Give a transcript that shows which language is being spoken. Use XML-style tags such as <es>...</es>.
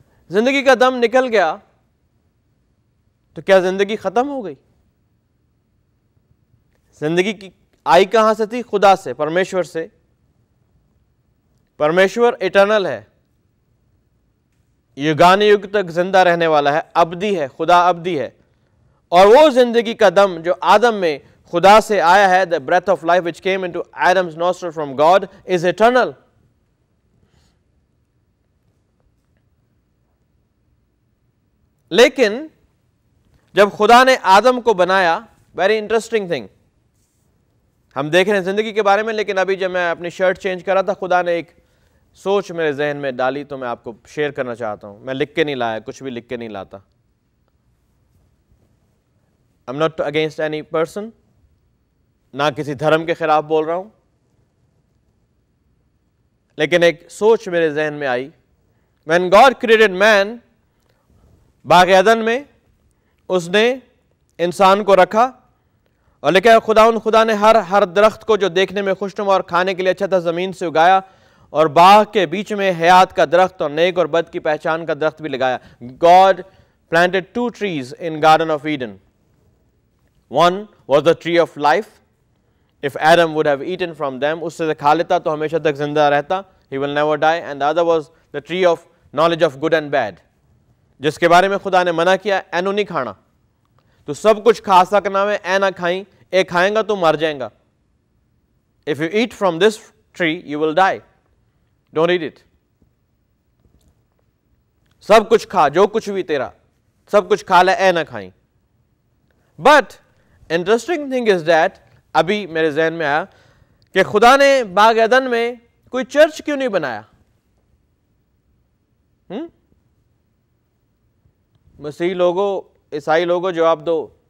<ur>زندگی کا دم نکل گیا تو کیا زندگی ختم ہو گئی؟ زندگی کی آئی کہاں سے تھی؟ خدا سے, پرمیشور سے. پرمیشور ایٹرنل ہے, یگان یگ تک زندہ رہنے والا ہے, ابدی ہے, خدا ابدی ہے. اور وہ زندگی کا دم جو آدم میں خدا سے آیا ہے,</ur> <en>the breath of life which came into Adam's nostril from God is eternal.</en> <ur>لیکن جب خدا نے آدم کو بنایا,</ur> <en>very interesting thing,</en> <ur>ہم دیکھ رہے ہیں زندگی کے بارے میں, لیکن ابھی جب میں اپنی شرٹ چینج کر رہا تھا, خدا نے ایک سوچ میرے ذہن میں ڈالی, تو میں آپ کو شیئر کرنا چاہتا ہوں. میں لکھ کے نہیں لایا, کچھ بھی لکھ کے نہیں لاتا.</ur> <en>I'm not against any person,</en> <ur>نہ کسی دھرم کے خلاف بول رہا ہوں, لیکن ایک سوچ میرے ذہن میں آئی.</ur> <en>When God created man,</en> <ur>باغ عدن میں اس نے انسان کو رکھا, اور لکھا خداوند خدا نے ہر درخت کو جو دیکھنے میں خوشنما اور کھانے کے لیے اچھا تھا زمین سے اگایا, اور باغ کے بیچ میں حیات کا درخت اور نیک اور بد کی پہچان کا درخت بھی لگایا.</ur> <en>God planted two trees in Garden of Eden. One was the tree of life. If Adam would have eaten from them,</en> <ur>اس سے کھا لیتا تو ہمیشہ تک زندہ رہتا,</ur> <en>he will never die. And the other was the tree of knowledge of good and bad,</en> <ur>جس کے بارے میں خدا نے منع کیا,</ur> <pa>اینو نہیں کھانا, تو سب کچھ کھا سکنا میں اے نہ کھائیں, اے کھائیں گا تو مر جائیں گا.</pa> <en>If you eat from this tree, you will die. Don't eat it.</en> <pa>سب کچھ کھا, جو کچھ بھی تیرا, سب کچھ کھا لے, اے نہ کھائیں.</pa> <en>But interesting thing is that,</en> <ur>ابھی میرے ذہن میں آیا کہ خدا نے باغ عدن میں کوئی چرچ کیوں نہیں بنایا؟ مسیح لوگو, عیسائی لوگو, جواب دو.</ur>